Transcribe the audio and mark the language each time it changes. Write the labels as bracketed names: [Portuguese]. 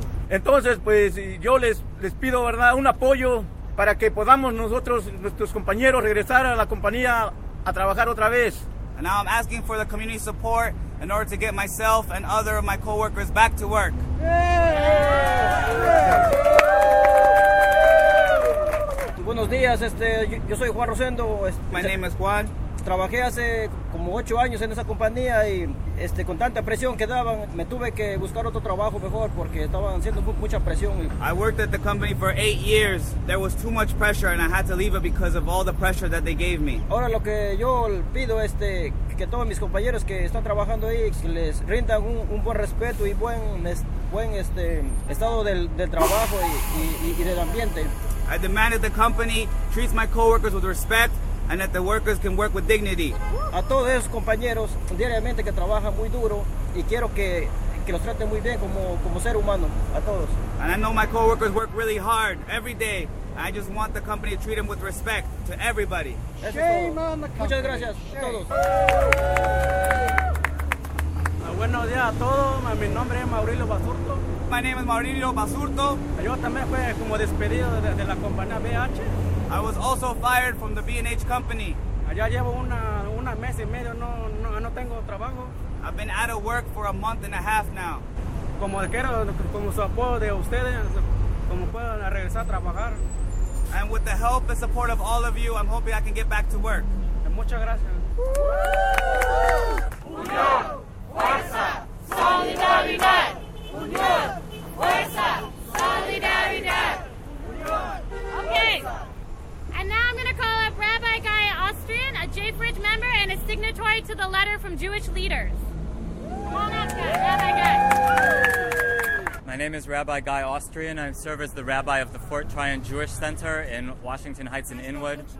[Spanish] Entonces, pues yo les pido, ¿verdad?, un apoyo para que podamos nosotros, nuestros compañeros, regresar a la compañía a trabajar otra vez. [English] And now I'm asking for the community support in order to get myself and other of my coworkers back to work. [Spanish] Buenos días, yo soy Juan Rosendo. [English] My name is Juan. [Spanish] Trabajé hace como 8 años en esa compañía y con tanta presión que daban, me tuve que buscar otro trabajo mejor porque estaban haciendo mucha presión. [English] I worked at the company for 8 years. There was too much pressure and I had to leave it because of all the pressure that they gave me. [Spanish] Ahora lo que yo pido es que todos mis compañeros que están trabajando ahí les rindan un buen respeto y buen estado del trabajo y del ambiente. [English] I demand that the company treats my coworkers with respect and that the workers can work with dignity. [Spanish] A todos esos compañeros diariamente que trabajan muy duro y quiero que los traten muy bien como ser humano, a todos. [English] And I know my coworkers work really hard every day. I just want the company to treat them with respect to everybody. Shame on the company. [Spanish] Muchas gracias. Shame. A todos. Buenos días a todos. Mi nombre es Maurilio Basurto. [English] My name is Maurilio Basurto. [Spanish] Yo también fui como despedido de la compañía BH. [English] I was also fired from the B&H company. [Spanish] Allá llevo una mes y medio, no tengo trabajo. [English] I've been out of work for a month and a half now. [Spanish] Como quiero, como su apoyo de ustedes, como puedan regresar a trabajar. [English] And with the help and support of all of you, I'm hoping I can get back to work. [Spanish] Muchas gracias. Unión, fuerza, solidaridad. Unión, fuerza, solidaridad. Unión, fuerza. [English] And now I'm going to call up Rabbi Guy Ostrian, a J-Bridge member and a signatory to the letter from Jewish leaders. Come on up, guys. Rabbi Guy. My name is Rabbi Guy Ostrian. I serve as the rabbi of the Fort Tryon Jewish Center in Washington Heights and Inwood.